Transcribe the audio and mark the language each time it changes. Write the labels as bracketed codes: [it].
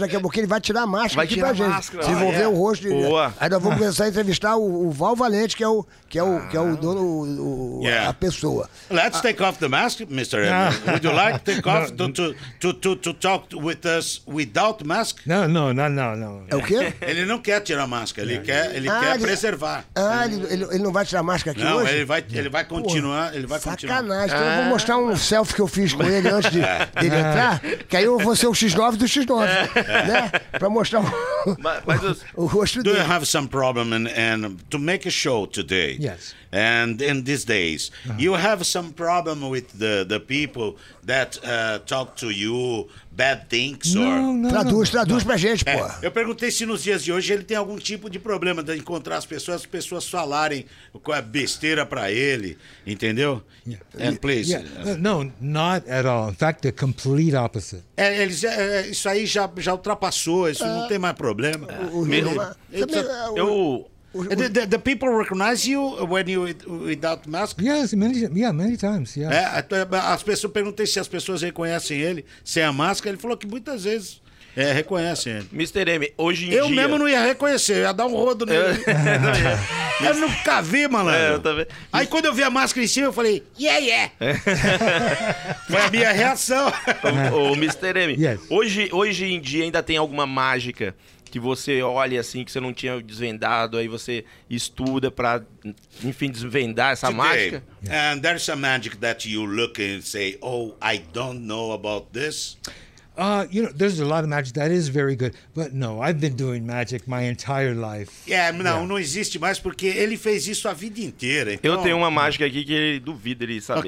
[pt] Daqui a pouco ele vai tirar a máscara. Vai tirar a gente. Máscara. Se envolver o rosto. Boa. Aí nós vamos começar a entrevistar o Val Valente, que é o dono, a pessoa. [en] Let's take off the mask, Mr. M. Would you like to take off to talk with us without mask? [pt] Não. É o quê? Ele não quer tirar a máscara. Ele quer preservar. Ele não vai tirar a máscara aqui não, hoje? Não, ele vai continuar. Ele vai sacanagem. Continuar. Então eu vou mostrar um selfie que eu fiz com ele antes dele entrar, que aí eu vou ser o X9 do X9, né? Pra mostrar o rosto dele. [en] Do you have some problem and to make a show today? Yes. And in these days, you have some problem with the people that talk to you bad things? [pt] Traduz pra gente, pô. Eu perguntei se nos dias de hoje ele tem algum tipo de problema de encontrar as pessoas falarem qual é besteira pra ele, entendeu? [en] Yeah. And please. Yeah. No, not at all. In fact, the complete opposite. [pt] Isso aí já ultrapassou, isso não tem mais problema. [en] The people recognize you when you without mask? Yes, many times. Yeah. [pt] Perguntei se as pessoas reconhecem ele sem a máscara. Ele falou que muitas vezes reconhecem ele. Mr. M, hoje em dia. Eu mesmo não ia reconhecer, ia dar um rodo nele. Eu nunca vi, malandro. Aí quando eu vi a máscara em cima, eu falei, yeah! Foi a minha reação. O Mr. M, [en] yes. [pt] Hoje em dia ainda tem alguma mágica? Que você olha assim, que você não tinha desvendado, aí você estuda para, enfim, desvendar essa [en] today, [pt] mágica. [en] And there's a magic that you look and say, oh, I don't know about this. You know, there's a lot of magic that is very good, but no, I've been doing magic my entire life. [pt] Não existe mais porque ele fez isso a vida inteira. Então... Eu tenho uma mágica aqui que ele duvida ele saber.